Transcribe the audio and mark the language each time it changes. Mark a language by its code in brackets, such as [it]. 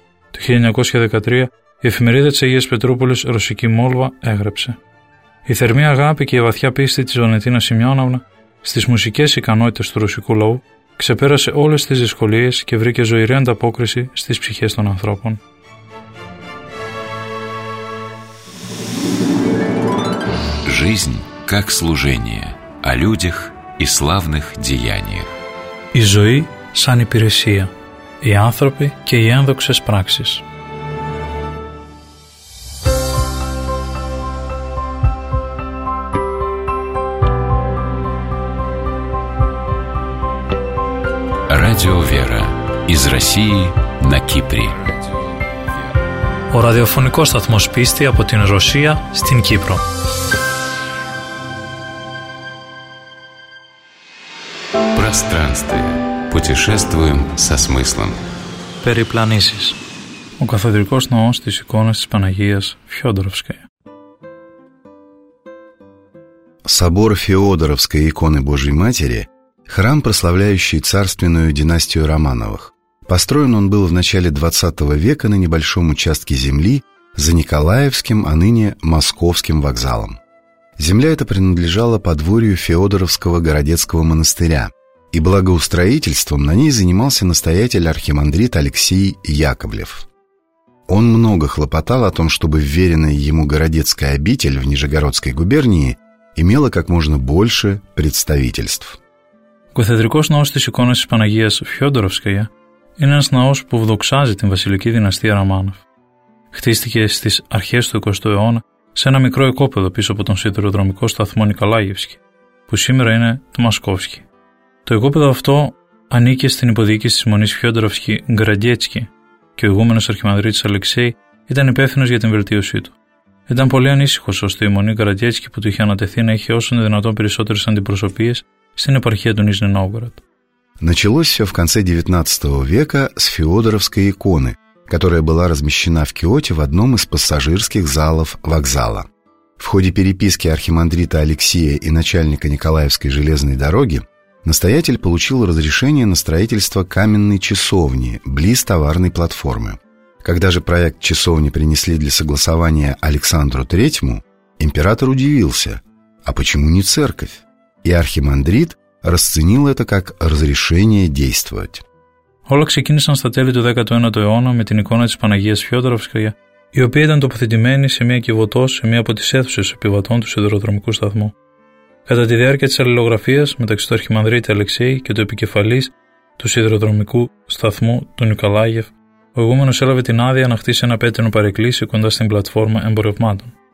[el] Το 1913, η εφημερίδα της Αγίας Πετρούπολης «Ρωσική Μόλβα» έγραψε: «Η θερμή αγάπη και η βαθιά πίστη της Βαλεντίνας Σημειώνοβνα στις μουσικές ικανότητες του ρωσικού λαού ξεπέρασε όλες τις δυσκολίες και βρήκε ζωηρή ανταπόκριση στις ψυχές των ανθρώπων. [ru] Жизнь как служение о людях и славных деяниях. [el] Η ζωή σαν υπηρεσία, οι άνθρωποι και οι ένδοξες πράξεις. [ru] Радио Вера из России на Кипре. [el] Ο ραδιοφωνικός σταθμός πίστη από την Ρωσία στην Κύπρο. [ru] Пространстве. Путешествуем со смыслом. [el] Περιπλανήσεις. Ο καθεδρικός ναός της εικόνας της Παναγίας Φιόντοροφσκαι. [ru] Собор Феодоровской иконы Божьей Матери – храм, прославляющий царственную династию Романовых. Построен он был в начале XX века на небольшом участке земли за Николаевским, а ныне Московским вокзалом. Земля эта принадлежала подворью Феодоровского городецкого монастыря, и благоустроительством на ней занимался настоятель-архимандрит Алексей Яковлев. Он много хлопотал о том, чтобы вверенная ему городецкая обитель в Нижегородской губернии имела как можно больше представительств. [el] Καθεδρικός ναός της εικόνας της Παναγίας Φιόντοροφσκαια είναι ένας ναός που βδοξάζει την βασιλική δυναστεία Ραμάνοφ. Χτίστηκε στις αρχές του 20ου αιώνα σε ένα μικρό οικόπεδο πίσω από τον σιδηροδρομικό σταθμό Νικολάγευσκι, που σήμερα είναι το Μασκόφσκι. Το οικόπεδο αυτό ανήκε στην υποδιοίκηση της Μονής Φιόντοροφσκι Γκραντιέτσκι και ο ηγούμενος αρχιμανδρίτης Αλεξέη ήταν υπεύθυνος για την βελτίωσή του. Ήταν πολύ ανήσυχος ώστε η Μονή Γκραντιέτσκι που του είχε ανατεθεί να έχει όσο δυνατόν περισσότερες αντιπροσωπείες στην επαρχία του Νίζνη Νόβγοροντ. [ru] Началось все в конце XIX века с Феодоровской иконы, которая была размещена в Киоте в одном из пассажирских залов вокзала. В ходе переписки архимандрита Алексея и начальника Николаевской железной дороги настоятель получил разрешение на строительство каменной часовни близ товарной платформы. Когда же проект часовни принесли для согласования Александру III, император удивился, а почему не церковь? И архимандрит расценил это как разрешение действовать. [el] Όλα ξεκίνησαν στα τέλη του 19ου αιώνα με την εικόνα της Παναγίας Φιόντοροφσκαια, η οποία ήταν τοποθετημένη σε μια κυβωτό σε μια από τις αίθουσες επιβατών του σιδηροδρομικού σταθμού. Κατά τη διάρκεια της αλληλογραφίας μεταξύ του αρχιμανδρίτη Αλεξέη και του επικεφαλής του σιδηροδρομικού σταθμού, του Νικολάγεφ, ο ηγούμενος έλαβε την άδεια να χτίσει ένα πέτρινο παρεκκλήσι κοντά στην πλατφόρμα εμπορευμάτων.